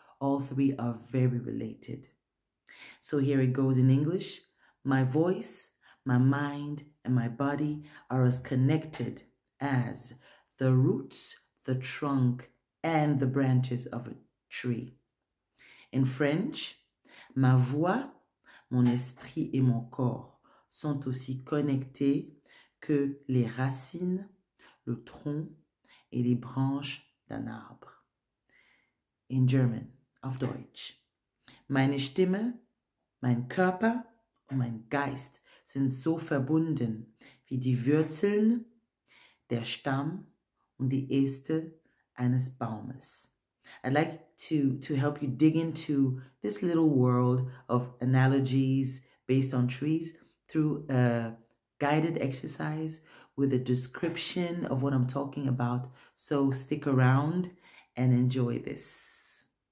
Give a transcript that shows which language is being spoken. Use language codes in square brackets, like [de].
[en] All three are very related. So here it goes in English. My voice, my mind, and my body are as connected as the roots, the trunk, and the branches of a tree. In French, [fr] ma voix, mon esprit et mon corps sont aussi connectés que les racines, le tronc, et les branches d'un arbre. [en] In German, [de] auf Deutsch, meine Stimme, mein Körper und mein Geist sind so verbunden wie die Wurzeln, der Stamm und die Äste eines Baumes. [en] I'd like to help you dig into this little world of analogies based on trees through a guided exercise with a description of what I'm talking about. So stick around and enjoy this.